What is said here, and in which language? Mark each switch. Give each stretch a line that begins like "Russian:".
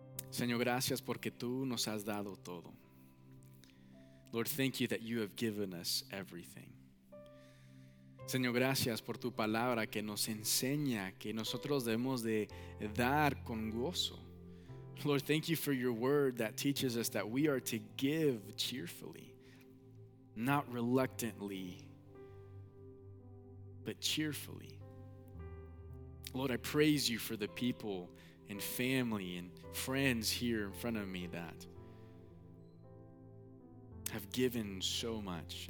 Spanish: Señor, gracias porque tú nos has dado todo.
English: Lord, thank you that you have given us everything.
Spanish: Señor, gracias por tu palabra que nos enseña que nosotros debemos de dar con gozo.
English: Lord, thank you for your word that teaches us that we are to give cheerfully, not reluctantly, but cheerfully. Lord, I praise you for the people and family and friends here in front of me that have given so much.